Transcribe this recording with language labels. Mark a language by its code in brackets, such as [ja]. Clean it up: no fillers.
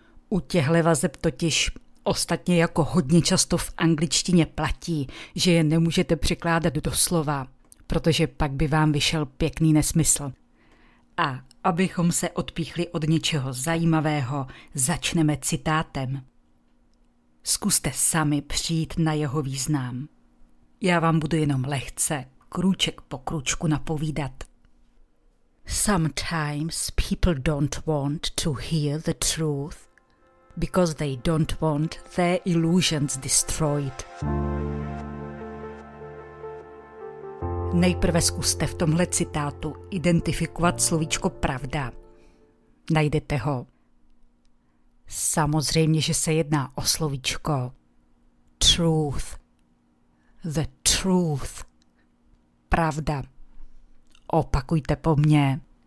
[cs] U těchto vazeb totiž ostatně jako hodně často v angličtině platí, že je nemůžete překládat doslova, protože pak by vám vyšel pěkný nesmysl. A abychom se odpíchli od něčeho zajímavého, začneme citátem. Zkuste sami přijít na jeho význam. Já vám budu jenom lehce, krůček po krůčku napovídat. [en] Sometimes people don't want to hear the truth because they don't want their illusions destroyed. [cs] Nejprve zkuste v tomhle citátu identifikovat slovíčko pravda. Najdete ho. Samozřejmě, že se jedná o slovíčko truth. [en] The truth. [cs] Pravda. Opakujte po mně.